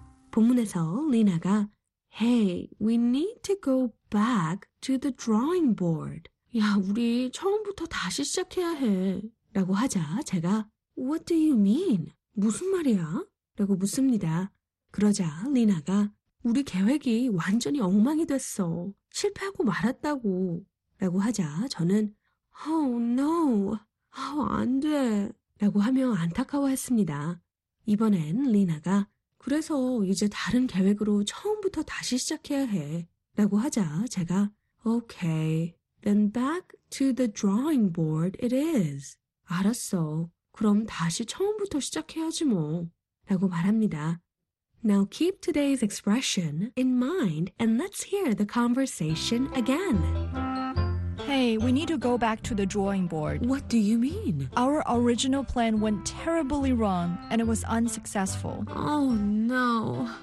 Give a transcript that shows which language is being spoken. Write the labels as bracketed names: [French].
[Korean] 본문에서 리나가 [English] Hey, we need to go back to the drawing board. [Korean] 야, 우리 처음부터 다시 시작해야 해. 라고 하자 제가 [English] What do you mean? [Korean] 무슨 말이야? 라고 묻습니다. 그러자 리나가 우리 계획이 완전히 엉망이 됐어. 실패하고 말았다고. 라고 하자 저는 [English] Oh no, oh, [Korean] 안 돼. 라고 하며 안타까워했습니다. 이번엔 리나가 그래서 이제 다른 계획으로 처음부터 다시 시작해야 해. 라고 하자 제가 [English] Okay, then back to the drawing board it is. [Korean] 알았어. 그럼 다시 처음부터 시작해야지 뭐. 라고 말합니다. [English] Now keep today's expression in mind and let's hear the conversation again. Hey, we need to go back to the drawing board. What do you mean? Our original plan went terribly wrong and it was unsuccessful. Oh no.